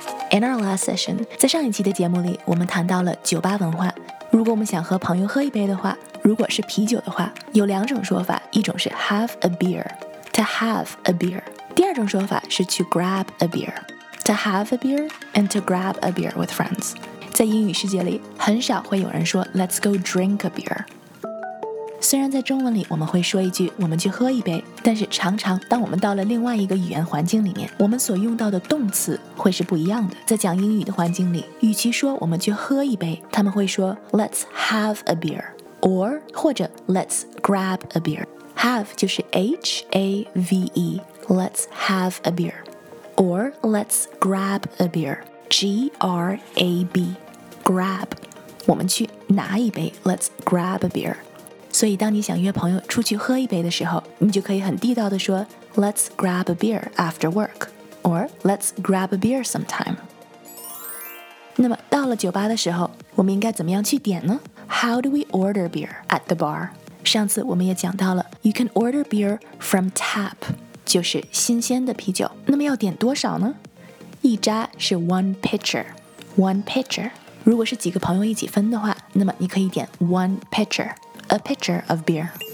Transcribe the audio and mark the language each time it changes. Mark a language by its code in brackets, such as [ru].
[en] In our last session， [zh] 在上一期的节目里，我们谈到了酒吧文化。如果我们想和朋友喝一杯的话，如果是啤酒的话，有两种说法，一种是 [en] have a beer， to have a beer。 [zh] 第二种说法是 [en] to grab a beer， to have a beer and to grab a beer with friends。 [zh] 在英语世界里，很少会有人说 [en] let's go drink a beer。 [zh] 虽然在中文里我们会说一句我们去喝一杯，但是常常当我们到了另外一个语言环境里面，我们所用到的动词会是不一样的。在讲英语的环境里，与其说我们去喝一杯，他们会说 [en] let's have a beer， or [zh] 或者 [en] let's grab a beer。 Have 就是 H-A-V-E， let's have a beer， or let's grab a beer， G-R-A-B， grab， [zh] 我们去拿一杯， [en] let's grab a beer。 [zh] 所以当你想约朋友出去喝一杯的时候，你就可以很地道地说 [en] Let's grab a beer after work， or Let's grab a beer sometime。 [zh] 那么到了酒吧的时候，我们应该怎么样去点呢？ [en] How do we order beer at the bar？ [zh] 上次我们也讲到了 [en] You can order beer from tap， [zh] 就是新鲜的啤酒。那么要点多少呢？ [en] 一扎是 one pitcher， one pitcher。 [zh] 如果是几个朋友一起分的话，那么你可以点 [en] one pitcherA pitcher of beer.